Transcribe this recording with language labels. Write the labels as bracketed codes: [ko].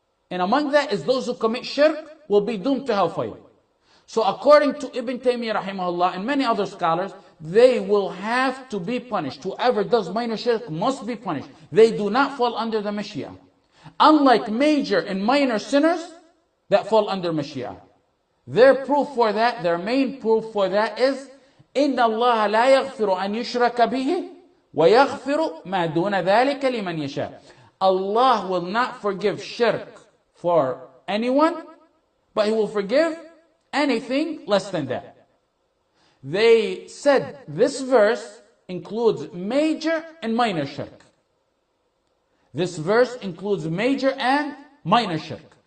[en] And among that is those who commit shirk will be doomed to hellfire. So according to Ibn Taymiyyah rahimahullah and many other scholars, they will have to be punished. Whoever does minor shirk must be punished. They do not fall under the Mashiach. Unlike major and minor sinners that fall under Mashiach. Their proof for that, their main proof for that is, [ar] إِنَّ اللَّهَ لَا يَغْفِرُ أَنْ يُشْرَكَ بِهِ وَيَغْفِرُ مَا دُونَ ذَلِكَ لِمَنْ يَشَاءُ. [en] Allah will not forgive shirk for anyone, but He will forgive anything less than that. They said this verse includes major and minor shirk. This verse includes major and minor shirk.